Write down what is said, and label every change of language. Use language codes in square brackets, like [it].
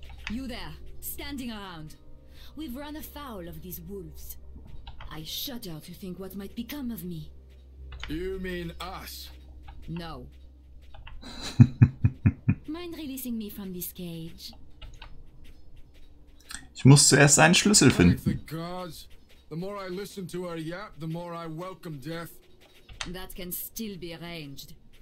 [en] You there, standing around. We've run afoul of these wolves. I shudder to think what might become of me. You mean us? No. Mind releasing me from this cage? [de] Ich muss zuerst einen Schlüssel finden. [en] The more I listen to her yap, the more I welcome death. That can still be arranged.